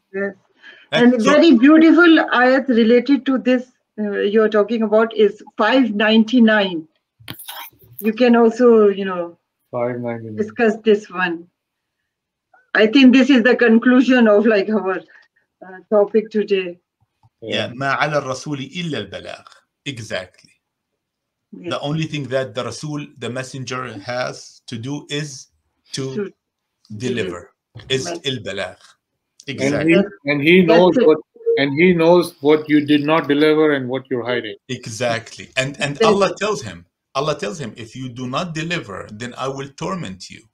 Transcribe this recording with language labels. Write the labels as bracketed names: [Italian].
[English] Yes. And very beautiful ayat related to this you're talking about is 599. You can also, you know, 599. Discuss this one. I think this is the conclusion of like our topic today. [Arabic] Yeah, ما على الرسول إلا البلاغ. [English] Exactly. Yes. The only thing that the Rasul, the messenger, has to do is to deliver. Is البلاغ. Exactly. And he knows what you did not deliver and what you're hiding. Exactly. And Allah tells him, if you do not deliver, then I will torment you.